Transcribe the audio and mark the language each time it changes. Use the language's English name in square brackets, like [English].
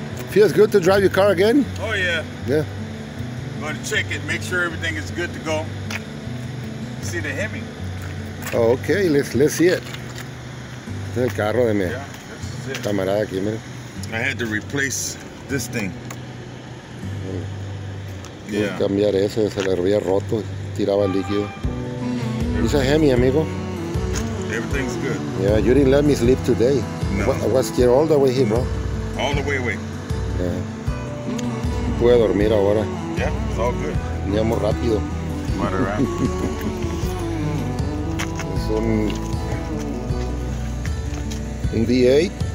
[English] Feels good to drive your car again? Oh, yeah. Yeah. I'm going to check it, make sure everything is good to go. See the Hemi? Oh, okay, let's see it. [Spanish] Es el carro de mi camarada aquí, mira. [English] I had to replace this thing. Yeah. [Spanish] Voy a cambiar ese, se le había roto, tiraba líquido. [English] It's a Hemi, amigo. Everything's good. Yeah, you didn't let me sleep today. No. I was here all the way here, bro. All the way away. [Spanish] Yeah. Puedo dormir ahora. [English] Yeah, it's all good. [Spanish] Andamos rápido. Mata rápido. Es un V8.